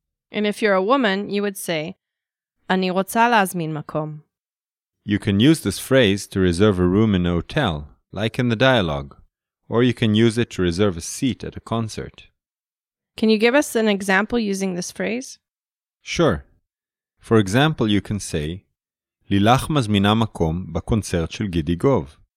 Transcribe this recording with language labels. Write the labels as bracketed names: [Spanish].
[English] And if you're a woman, you would say [Hebrew] אני רוצה להזמין מקום. [English] You can use this phrase to reserve a room in a hotel, like in the dialogue, or you can use it to reserve a seat at a concert. Can you give us an example using this phrase? Sure. For example, you can say [Hebrew] לילך מזמינה מקום בקונצרט של גידי גוב.